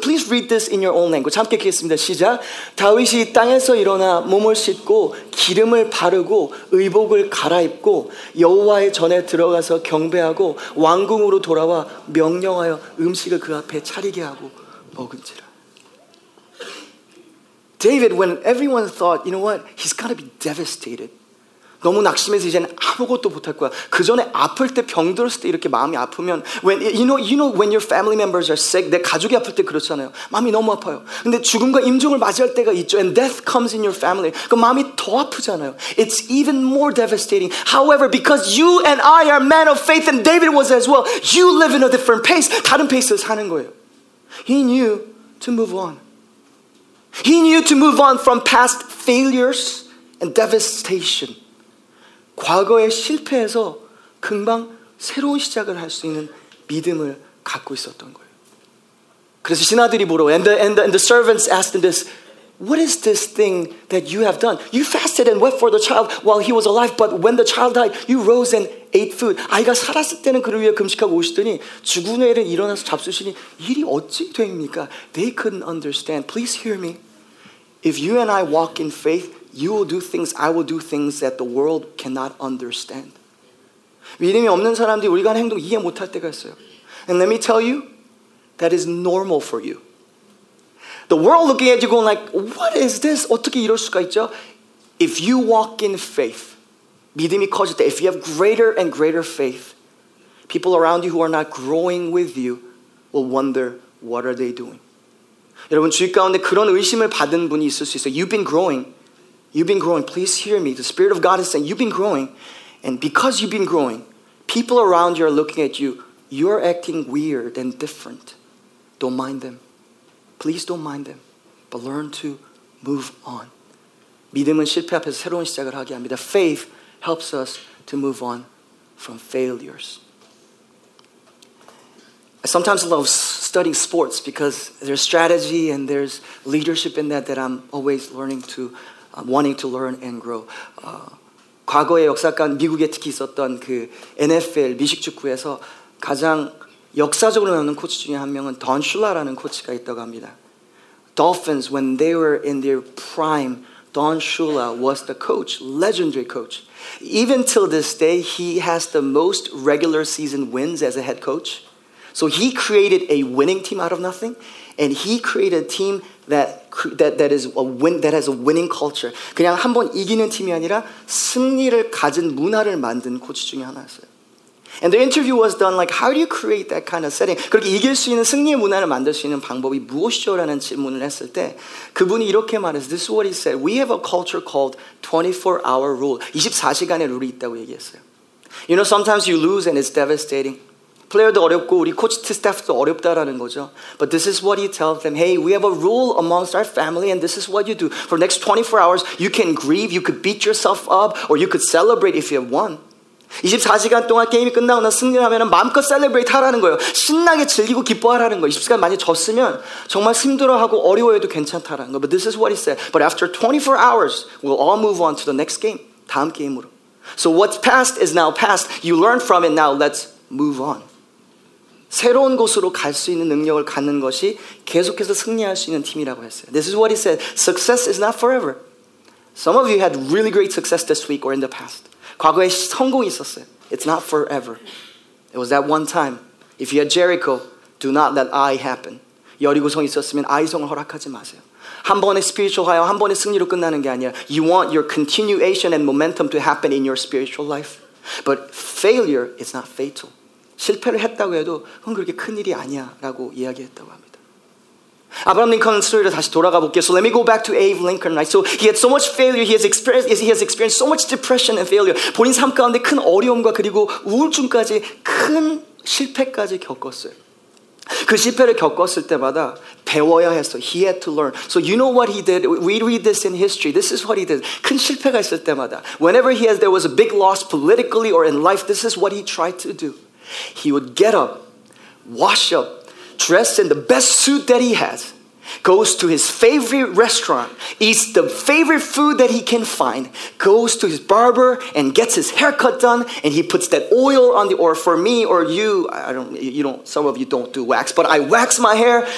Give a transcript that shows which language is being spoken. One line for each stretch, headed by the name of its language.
English: Please read this in your own language.
Korean: 함께 읽겠습니다. 시작. 다윗이 땅에서 일어나 몸을 씻고 기름을 바르고 의복을 갈아입고 여호와의 전에 들어가서 경배하고 왕궁으로 돌아와 명령하여 음식을 그 앞에 차리게 하고 먹은지라.
English: David, when everyone thought, you know what, he's got to be devastated.
Korean: 너무 낙심해서 이제는 아무것도 못할 거야. 그 전에 아플 때 병들었을 때 이렇게 마음이 아프면
English: when you know when your family members are sick,
Korean: 내 가족이 아플 때 그렇잖아요. 마음이 너무 아파요. 근데 죽음과 임종을 맞이할 때가 있죠.
English: And death comes in your family.
Korean: 그 마음이 더 아프잖아요.
English: It's even more devastating. However, because you and I are men of faith and David was as well, you live in a different pace.
Korean: 다른 페이스에서 사는 거예요.
English: He knew to move on. He knew to move on from past failures and devastation.
Korean: 과거의 실패에서 금방 새로운 시작을 할 수 있는 믿음을 갖고 있었던 거예요. 그래서 신하들이 물어요.
English: And the servants asked him this, what is this thing that you have done? You fasted and wept for the child while he was alive, but when the child died, you rose and ate food.
Korean: 아이가 살았을 때는 그를 위해 금식하고 오시더니 죽은 후에는 일어나서 잡수시니 일이 어찌 됩니까?
English: They couldn't understand. Please hear me. If you and I walk in faith, you will do things, I will do things that the world cannot understand.
Korean: 믿음이 없는 사람들이 우리가 하는 행동 이해 못할 때가 있어요.
English: And let me tell you, that is normal for you. The world looking at you going like, what is this?
Korean: 어떻게 이럴 수가 있죠?
English: If you walk in faith,
Korean: 믿음이 커질 때,
English: if you have greater and greater faith, people around you who are not growing with you will wonder, what are they doing?
Korean: 여러분, 주위 가운데 그런 의심을 받은 분이 있을 수 있어요.
English: You've been growing. Please hear me. The Spirit of God is saying, you've been growing. And because you've been growing, people around you are looking at you. You're acting weird and different. Don't mind them. Please don't mind them. But learn to move on.
Korean: 믿음은 실패 앞에서 새로운 시작을 하게 합니다.
English: Faith helps us to move on from failures. I sometimes love studying sports because there's strategy and there's leadership in that I'm always learning to wanting to learn and grow.
Korean: 과거의 역사관 미국에 특히 있었던 그 NFL 미식축구에서 가장 역사적으로 남는 코치 중에 한 명은 Don Shula라는 코치가 있다고 합니다.
English: Dolphins, when they were in their prime, Don Shula was the coach, legendary coach. Even till this day, he has the most regular season wins as a head coach. So he created a winning team out of nothing, and he created a team that has a winning culture.
Korean: 그냥 한번 이기는 팀이 아니라 승리를 가진 문화를 만든 코치 중에 하나였어요.
English: And the interview was done like, how do you create that kind of setting?
Korean: 그렇게 이길 수 있는 승리의 문화를 만들 수 있는 방법이 무엇이죠? 라는 질문을 했을 때 그분이 이렇게 말했어요.
English: This is what he said. We have a culture called 24-hour rule.
Korean: 24시간의 룰이 있다고 얘기했어요.
English: You know, sometimes you lose and it's devastating.
Korean: 플레이어도 어렵고 우리 코치 스태프도 어렵다라는 거죠.
English: But this is what he tells them. Hey, we have a rule amongst our family and this is what you do. For the next 24 hours, you can grieve, you could beat yourself up, or you could celebrate if you have won.
Korean: 24시간 동안 게임이 끝나고 나 승리하면 마음껏 celebrate 하라는 거예요. 신나게 즐기고 기뻐하라는 거예요. 24시간 만약 졌으면 정말 힘들어하고 어려워해도 괜찮다라는 거예요.
English: But this is what he said. But after 24 hours, we'll all move on to the next game.
Korean: 다음 게임으로.
English: So what's past is now past. You learn from it now. Let's move on.
Korean: 새로운 곳으로 갈 수 있는 능력을 갖는 것이 계속해서 승리할 수 있는 팀이라고 했어요.
English: This is what he said. Success is not forever. Some of you had really great success this week or in the past.
Korean: 과거에 성공이 있었어요.
English: It's not forever. It was that one time. If you had Jericho, do not let I happen.
Korean: 여리고성 있었으면 I성을 허락하지 마세요. 한 번의 spiritual high, 한 번의 승리로 끝나는 게 아니라
English: you want your continuation and momentum to happen in your spiritual life. But failure is not fatal.
Korean: 실패를 했다고 해도 그건 그렇게 큰일이 아니야 라고 이야기했다고 합니다.
English: Abraham Lincoln's story.
Korean: 다시 돌아가 볼게요.
English: So let me go back to Abe Lincoln, right? So he had so much failure. He has experienced so much depression and failure.
Korean: 본인 삶 가운데 큰 어려움과 그리고 우울증까지 큰 실패까지 겪었어요. 그 실패를 겪었을 때마다 배워야 했어.
English: He had to learn. So you know what he did? We read this in history. This is what he did.
Korean: 큰 실패가 있을 때마다,
English: whenever there was a big loss politically or in life, this is what he tried to do. He would get up, wash up, dressed in the best suit that he has, goes to his favorite restaurant, eats the favorite food that he can find, goes to his barber and gets his haircut done, and he puts that oil on the, or for me or you, I don't, you don't, some of you don't do wax, but I wax my hair.